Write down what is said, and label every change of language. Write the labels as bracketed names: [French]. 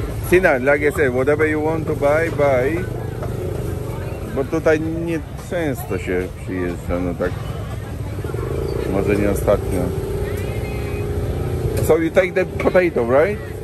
[English] Sina, like I said, whatever you want to buy, buy. [Polish] Bo tutaj nie często się przyjeżdża, no tak. Może nie ostatnio. [English] So you take the potato, right?